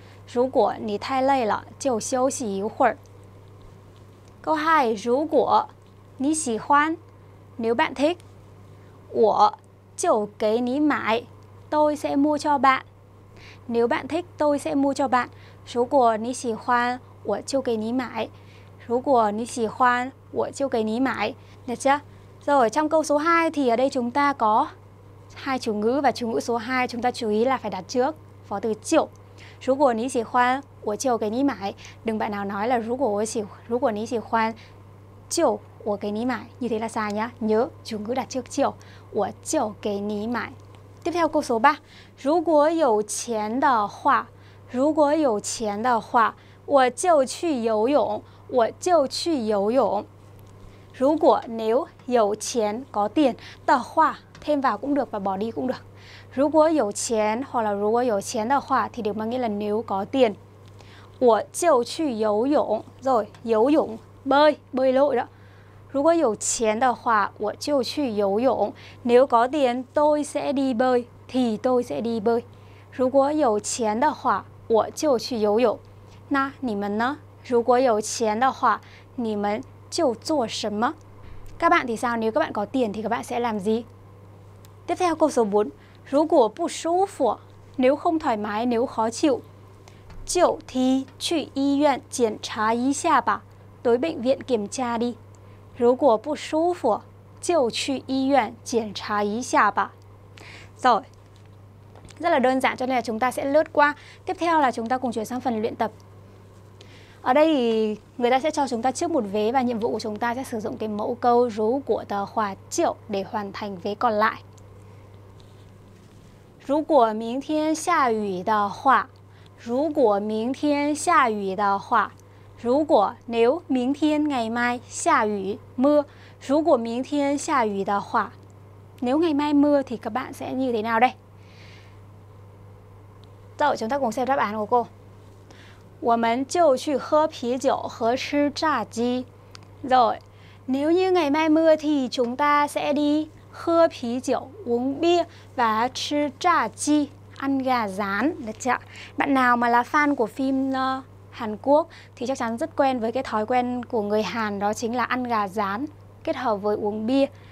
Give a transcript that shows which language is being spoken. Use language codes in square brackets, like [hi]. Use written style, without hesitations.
[vi] Rú của nì thai lây lợ, chịu xiu xì yu huở. Câu 2, [zh] 如果你喜欢, [vi] nếu bạn thích, [zh] 我就给你买, [vi] tôi sẽ mua cho bạn. Nếu bạn thích, tôi sẽ mua cho bạn. [zh] 如果你喜欢,我就给你买.如果你喜欢,我就给你买. [vi] Được chưa? Rồi, trong câu số 2 thì ở đây chúng ta có hai chủ ngữ và chủ ngữ số 2 chúng ta chú ý là phải đặt trước phó từ 就. [zh] 如果你喜欢, 我就给你买. [vi] Đừng bạn nào nói là [zh] 如果你喜欢, 就我给你买. [vi] Như thế là sai nhá. Nhớ, chủ ngữ đặt trước 就. [zh] 我就给你买. [vi] Tiếp theo câu số 3. [zh] 如果有钱的话, 如果有钱的话, 我就去游泳, 我就去游泳. [vi] 如果, nếu, 有钱, có tiền, 的话, thêm vào cũng được và bỏ đi cũng được. [zh] 如果有钱, [vi] hoặc là [zh] 如果有钱的话, [vi] thì đều mang nghĩa là nếu có tiền. [zh] 我就去游泳. [vi] Rồi, 游泳, bơi, bơi lội đó. [zh] 如果有钱的话, 我就去游泳. [vi] Nếu có tiền, tôi sẽ đi bơi. Thì tôi sẽ đi bơi. [zh] 如果有钱的话, 我就去游泳. [vi] 那你们呢? [zh] 如果有钱的话, 你们就做什么? [vi] Các bạn thì sao? Nếu các bạn có tiền thì các bạn sẽ làm gì? Tiếp theo câu số 4. [zh] 如果不舒服, [vi] nếu không thoải mái, nếu khó chịu, [zh] 就提去医院检查一下吧, [vi] tới bệnh viện kiểm tra đi. [zh] 如果不舒服, 就去医院检查一下吧. [vi] Rồi, rất là đơn giản cho nên là chúng ta sẽ lướt qua. Tiếp theo là chúng ta cùng chuyển sang phần luyện tập. Ở đây thì người ta sẽ cho chúng ta trước một vế và nhiệm vụ của chúng ta sẽ sử dụng cái mẫu câu 如果的话就 để hoàn thành vế còn lại. [zh] 如果明天下雨的话, 如果明天下雨的话, 如果, nếu, 明天, ngày mai, 下雨, mưa, 如果明天下雨的话, [vi] nếu ngày mai mưa thì các bạn sẽ như thế nào đây? Rồi, chúng ta cùng xem đáp án của cô. [zh] 我们就去喝啤酒和吃炸鸡. [vi] Rồi, nếu như ngày mai mưa thì chúng ta sẽ đi hơ pí rượu, uống bia và chư trà chi, ăn gà rán, được chưa? Bạn nào mà là fan của phim Hàn Quốc thì chắc chắn rất quen với cái thói quen của người Hàn, đó chính là ăn gà rán kết hợp với uống bia.